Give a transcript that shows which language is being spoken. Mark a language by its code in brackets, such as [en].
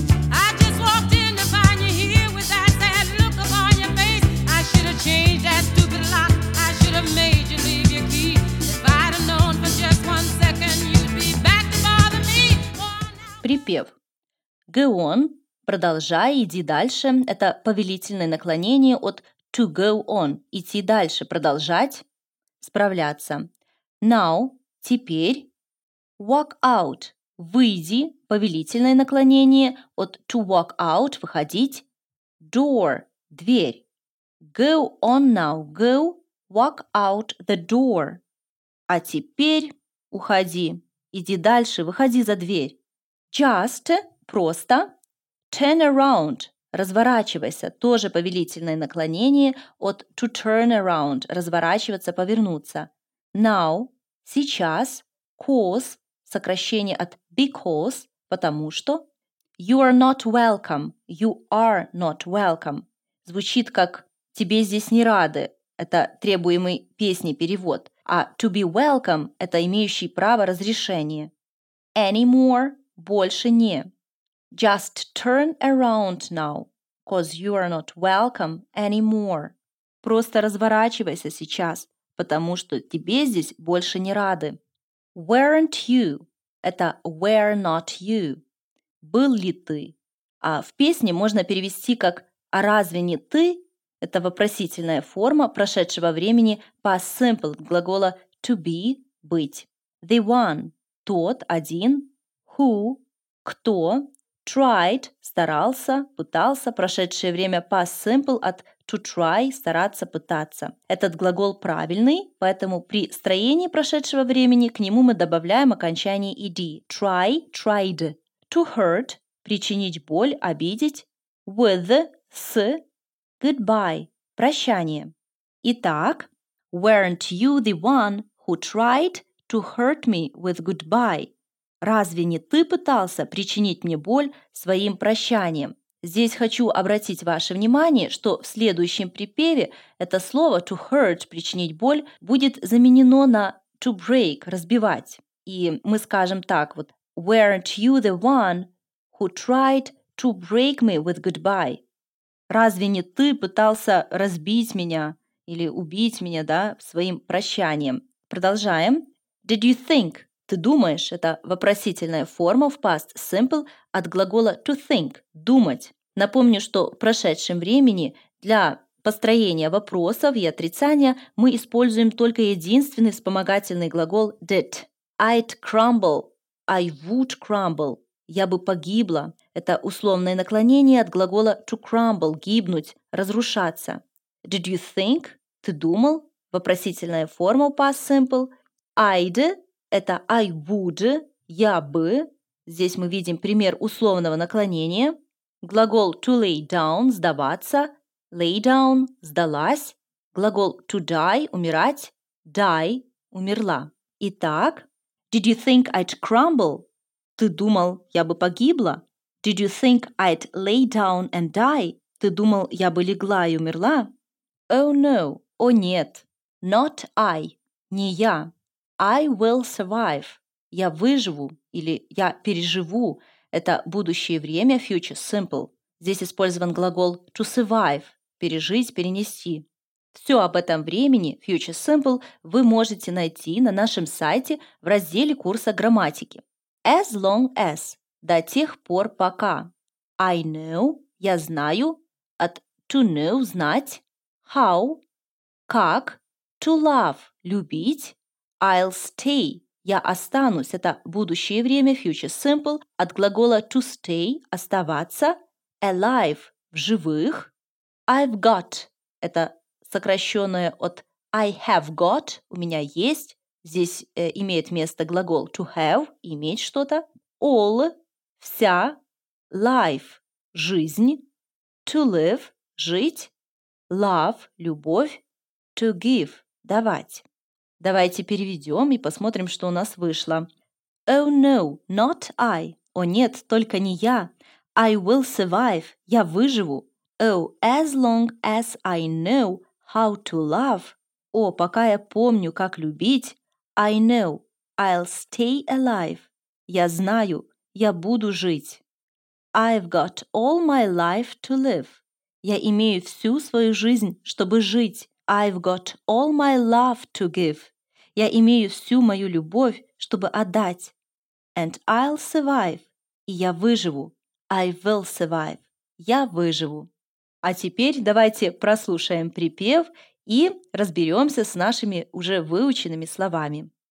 [en] I just walked in to find you here with that sad look upon your face. I should have changed that stupid lock. I should have made you leave your key. If I'd have known for just one second you'd be back to bother me. [ru] Припев. [en] Go on. [ru] Продолжай, иди дальше. Это повелительное наклонение от [en] to go on. [ru] Идти дальше, продолжать, справляться. Now, теперь. [en] Walk out, [ru] выйди. Повелительное наклонение от [en] to walk out, [ru] выходить. Door, дверь. [en] Go on now, go walk out the door. [ru] А теперь уходи, иди дальше, выходи за дверь. Just, просто. Turn around – разворачивайся, тоже повелительное наклонение от [en] to turn around [ru] – разворачиваться, повернуться. Now – сейчас, cause – сокращение от because – потому что. [en] You are not welcome – you are not welcome [ru] – звучит как «тебе здесь не рады» – это требуемый песни перевод, а [en] to be welcome [ru] – это имеющий право разрешения. Anymore – больше не. [en] Just turn around now, 'cause you are not welcome anymore. [ru] Просто разворачивайся сейчас, потому что тебе здесь больше не рады. [en] Weren't you? [ru] Это [en] were not you. [ru] Был ли ты? А в песне можно перевести как «А разве не ты?» Это вопросительная форма прошедшего времени past simple глагола [en] to be [ru] – быть. [en] The one [ru] – тот, один. Who – кто. Tried – старался, пытался, прошедшее время past simple от [en] to try [ru] – стараться, пытаться. Этот глагол правильный, поэтому при строении прошедшего времени к нему мы добавляем окончание ed. [en] Try – tried. To hurt [ru] – причинить боль, обидеть. With – с. Goodbye – прощание. Итак, [en] weren't you the one who tried to hurt me with goodbye? [ru] Разве не ты пытался причинить мне боль своим прощанием? Здесь хочу обратить ваше внимание, что в следующем припеве это слово [en] to hurt, [ru] причинить боль, будет заменено на [en] to break, [ru] разбивать. И мы скажем так вот, [en] weren't you the one who tried to break me with goodbye? [ru] Разве не ты пытался разбить меня или убить меня, да, своим прощанием? Продолжаем. [en] Did you think? [ru] Ты думаешь? Это вопросительная форма в past simple от глагола [en] to think [ru] – думать. Напомню, что в прошедшем времени для построения вопросов и отрицания мы используем только единственный вспомогательный глагол did. [en] I'd crumble. I would crumble. [ru] Я бы погибла. Это условное наклонение от глагола [en] to crumble [ru] – гибнуть, разрушаться. [en] Did you think? [ru] Ты думал? Вопросительная форма в past simple. I'd – это [en] I would, [ru] я бы. Здесь мы видим пример условного наклонения. Глагол [en] to lay down, [ru] сдаваться. [en] Lay down, [ru] сдалась. Глагол [en] to die, [ru] умирать. Die, умерла. Итак, [en] did you think I'd crumble? [ru] Ты думал, я бы погибла? [en] Did you think I'd lay down and die? [ru] Ты думал, я бы легла и умерла? [en] Oh no, [ru] о нет. [en] Not I, [ru] не я. [en] I will survive. [ru] Я выживу или я переживу. Это будущее время, future simple. Здесь использован глагол [en] to survive, [ru] пережить, перенести. Все об этом времени, future simple, вы можете найти на нашем сайте в разделе курса грамматики. [en] As long as, [ru] до тех пор пока. [en] I know, [ru] я знаю, от [en] to know, [ru] знать. How, как, [en] to love, [ru] любить. [en] I'll stay, [ru] я останусь, это будущее время, future simple, от глагола [en] to stay, [ru] оставаться, alive, в живых, [en] I've got, [ru] это сокращенное от [en] I have got, [ru] у меня есть, здесь имеет место глагол [en] to have, [ru] иметь что-то, all, вся, life, жизнь, [en] to live, [ru] жить, love, любовь, [en] to give, [ru] давать. Давайте переведем и посмотрим, что у нас вышло. [en] Oh no, not I. [ru] О нет, только не я. [en] I will survive. [ru] Я выживу. [en] Oh, as long as I know how to love. [ru] О, пока я помню, как любить. [en] I know. I'll stay alive. [ru] Я знаю. Я буду жить. [en] I've got all my life to live. [ru] Я имею всю свою жизнь, чтобы жить. [en] I've got all my love to give. [ru] Я имею всю мою любовь, чтобы отдать. [en] And I'll survive. [ru] И я выживу. [en] I will survive. [ru] Я выживу. А теперь давайте прослушаем припев и разберемся с нашими уже выученными словами.